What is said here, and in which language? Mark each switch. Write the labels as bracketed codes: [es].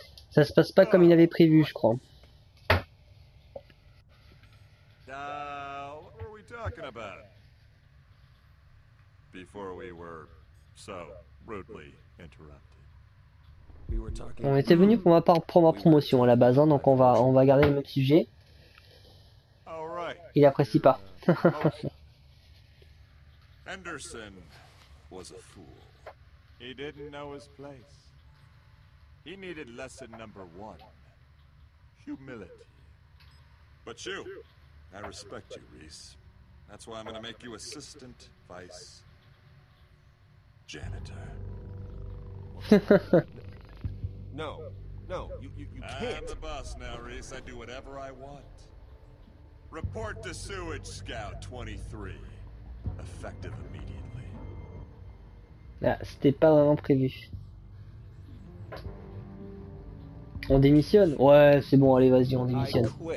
[fr] Ça se passe pas comme il avait prévu, je crois. [en] What were we talking about? Before we were so rudely interrupted. [fr] On était venu pour ma part pour ma promotion à la base, hein, donc on va garder le même sujet. Il apprécie pas. [en] Henderson was a fool. He didn't know his place. He needed lesson number one. Humility. But you, I respect you, Reese. That's why I'm gonna make you assistant vice janitor. No, you can't. I'm the boss now, Reese. I do whatever I want. Report to Sewage Scout 23. Effective immediately. [fr] Ah, c'était pas vraiment prévu. On démissionne? Ouais, c'est bon, allez, vas-y, on démissionne.